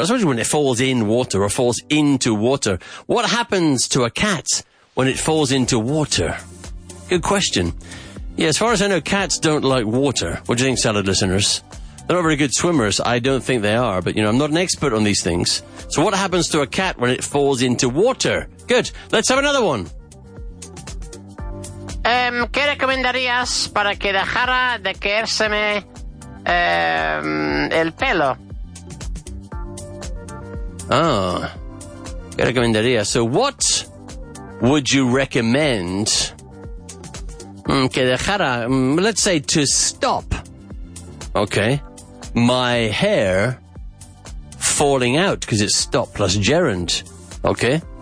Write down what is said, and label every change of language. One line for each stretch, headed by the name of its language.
English: I suppose when it falls in water or falls into water. What happens to a cat when it falls into water? Good question. Yeah, as far as I know, cats don't like water. What do you think, salad listeners? They're not very good swimmers. I don't think they are, but, you know, I'm not an expert on these things. So what happens to a cat when it falls into water? Good. Let's have another one.
Spanish: ¿Qué recomendarías para que dejara de caérseme el pelo? ¿Qué recomendarías?
English: So what would you recommend
Spanish: que dejara,
English: let's say, to stop, okay, my hair falling out, because it's stop plus gerund, okay?